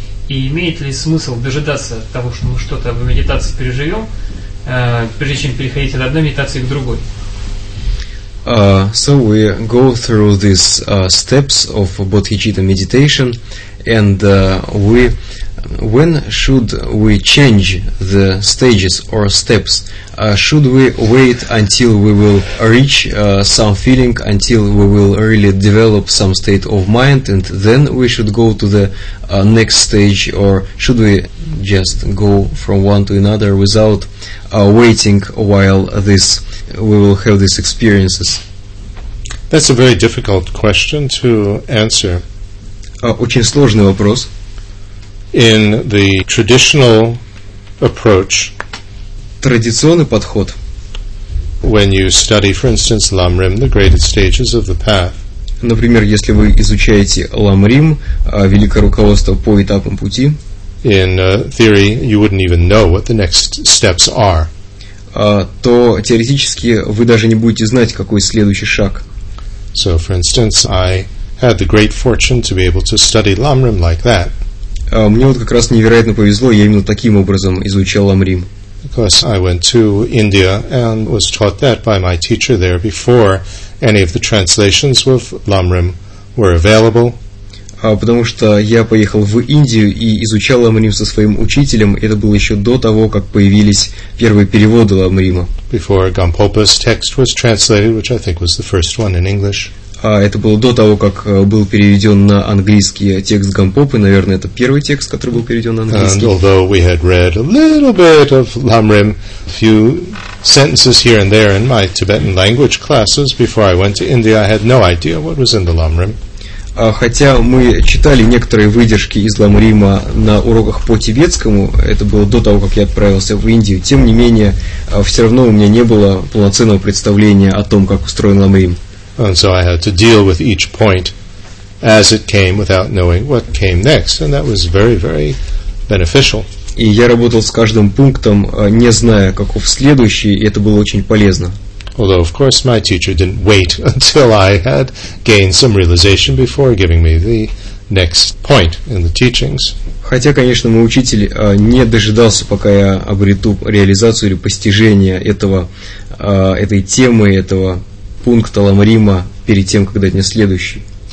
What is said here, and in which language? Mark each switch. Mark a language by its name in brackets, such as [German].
[Russian] И имеет ли смысл дожидаться того, что мы что-то в медитации переживем, прежде чем переходить от одной медитации к другой? [English] So we go through these steps of bodhicitta meditation, and when should we change the stages or steps? Should we wait until we will reach some feeling, until we will really develop some state of mind, and then we should go to the next stage, or should we just go from one to another without waiting while this we will have these experiences? That's a very difficult question to answer. [Russian] Очень сложный вопрос. [English] In the traditional approach, [Russian] традиционный подход, [English] when you study, for instance, Ламрим, the graded stages of the path, [Russian] например, если вы изучаете Ламрим, великое руководство по этапам пути, [English] in theory, you wouldn't even know what the next steps are. [Russian] То теоретически вы даже не будете знать, какой следующий шаг. [English] So, for instance, I had the great fortune to be able to study Ламрим like that. [Russian] Мне вот как раз невероятно повезло, я именно таким образом изучал Ламрим. [English] Because I went to India and was taught that by my teacher there before any of the translations of Ламрим were available. [Russian] Потому что я поехал в Индию и изучал Ламрим со своим учителем, это было еще до того, как появились первые переводы Ламрима. [English] Before Gampopa's text was translated, which I think was the first one in English. [Russian] Это было до того, как был переведен на английский текст Гампопы. Наверное, это первый текст, который был переведен на английский. [English] And although we had read a little bit of Ламрим, a few sentences here and there in my Tibetan language classes before I went to India, I had no idea what was in the Ламрим. [Russian] Хотя мы читали некоторые выдержки из Ламрима на уроках по тибетскому, это было до того, как я отправился в Индию, тем не менее, все равно у меня не было полноценного представления о том, как устроен Ламрим. [English] And so I had to deal with each point as it came without knowing what came next, and that was very, very beneficial. [Russian] И я работал с каждым пунктом, не зная, каков следующий, и это было очень полезно. [English] Although, of course, my teacher didn't wait until I had gained some realization before giving me the next point in the teachings. [Russian] Хотя, конечно, мой учитель не дожидался, пока я обрету реализацию или постижение этого, этой темы, этого пункта Ламрима перед тем, когда дать мне следующий.